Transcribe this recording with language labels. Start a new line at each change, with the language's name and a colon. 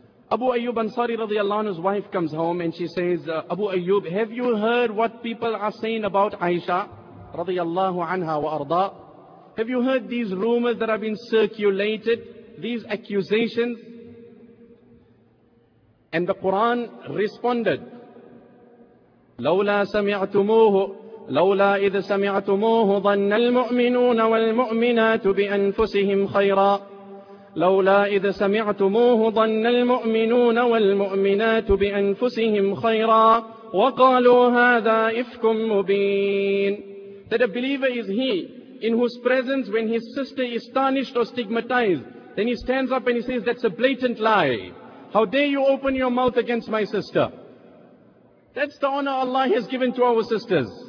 English: Abu Ayyub Ansari radiallahu anhu's wife comes home and she says, Abu Ayyub, have you heard what people are saying about Aisha radiallahu anha wa arda? Have you heard these rumors that have been circulated, these accusations? And the Quran responded,
Arabic: لَوْلَا سَمِعْتُمُوهُ لَوْلَا إِذْ سَمِعْتُمُوهُ ظَنَّ الْمُؤْمِنُونَ وَالْمُؤْمِنَاتُ بِأَنفُسِهِمْ خَيْرًا لَوْلَا إِذْ سَمِعْتُمُوهُ ظَنَّ الْمُؤْمِنُونَ وَالْمُؤْمِنَاتُ بِأَنفُسِهِمْ خَيْرًا وَقَالُوا هَذَا إِفْكٌ مُبِينٌ.
English: That a believer is he in whose presence when his sister is tarnished or stigmatized, then he stands up and he says, that's a blatant lie. How dare you open your mouth against my sister? That's the honor Allah has given to our sisters.